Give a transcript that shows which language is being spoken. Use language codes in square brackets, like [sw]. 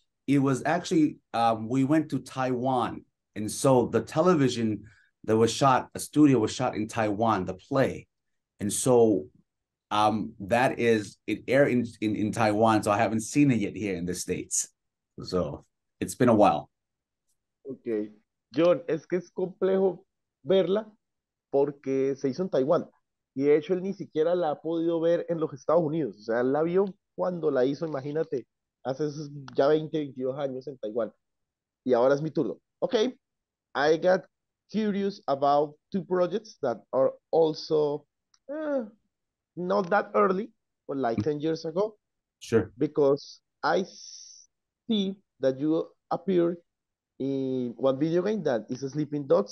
[en] It was actually, we went to Taiwan. And so the television that was shot, a studio was shot in Taiwan, the play. And so it aired in Taiwan. So I haven't seen it yet here in the States. So it's been a while. Okay. [es] Jhon, es que es complejo verla porque se hizo en Taiwán. Y de hecho, él ni siquiera la ha podido ver en los Estados Unidos. O sea, él la vio cuando la hizo, imagínate. Hace ya 20, 22 años en Taiwán. Y ahora es mi turno. [en] Okay, I got curious about two projects that are also not that early, but like 10 years ago. Sure. Because I see that you appear in one video game that is Sleeping Dogs.